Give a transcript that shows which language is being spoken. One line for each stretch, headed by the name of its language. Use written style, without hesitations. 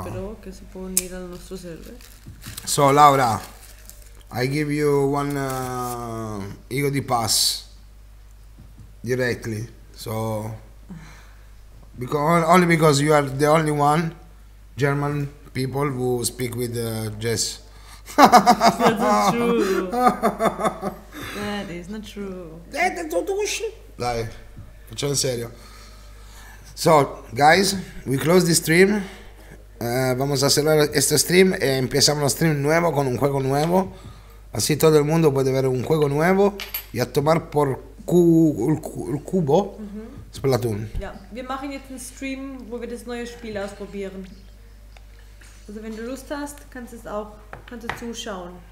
Italian: però che si può unire al nostro server.
English: So, Laura, I give you one Eagle Pass directly. So, only because you are the only one German people who speak with Jess. That's not true. That is not true.
Italian: Dai, facciamo in serio.
English: So, guys, we close this stream.
Spanish: Vamos a cerrar este stream e empezamos un stream nuevo con un juego nuevo. Así todo el mundo puede ver un juego nuevo y a tomar por el cubo Splatoon.
German: Ja, wir machen jetzt einen Stream, wo wir das neue Spiel ausprobieren. Also wenn du Lust hast, kannst du zuschauen.